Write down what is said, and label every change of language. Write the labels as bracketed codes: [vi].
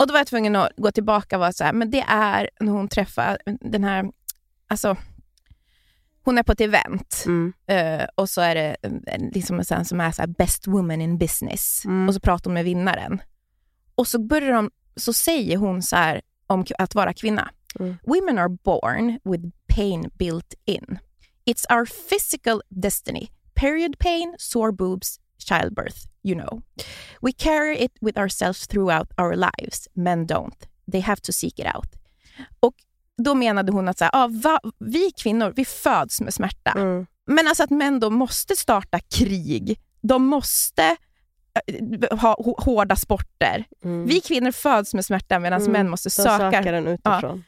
[sv] Och då var jag tvungen att gå tillbaka och vara så här, men det är när hon träffar den här, alltså... Hon är på ett event och så är det liksom en som är så här [en] best woman in business. [sv] Mm. Och så pratar hon med vinnaren. Och så börjar de, så säger hon så här om att vara kvinna. Mm. [en] Women are born with pain built in. It's our physical destiny. Period pain, sore boobs, childbirth, you know. We carry it with ourselves throughout our lives. Men don't. They have to seek it out. [sv] Och då menade hon att så här, vi kvinnor, vi föds med smärta. Mm. Men alltså att män då måste starta krig. De måste ha hårda sporter. Mm. Vi kvinnor föds med smärta medan män måste söka den utifrån.